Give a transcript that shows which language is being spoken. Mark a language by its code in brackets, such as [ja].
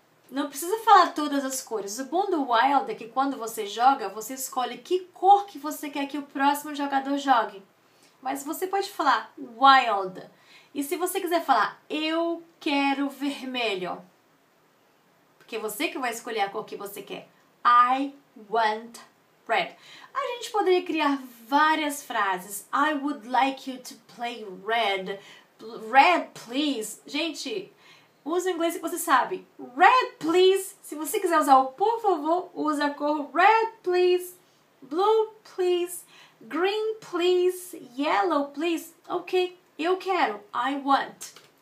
[pt] Não precisa falar todas as cores. O bom do Wild é que quando você joga, você escolhe que cor que você quer que o próximo jogador jogue. Mas você pode falar Wild. E se você quiser falar, eu quero vermelho. Porque você que vai escolher a cor que você quer. [en] I want red. [pt] A gente poderia criar várias frases. [en] I would like you to play red. Red, please. [pt] Gente, usa o inglês que você sabe. [en] Red, please. [pt] Se você quiser usar o por favor, usa a cor [en] red, please. Blue, please. Green, please. Yellow, please. [pt] Ok, eu quero. [en] I want.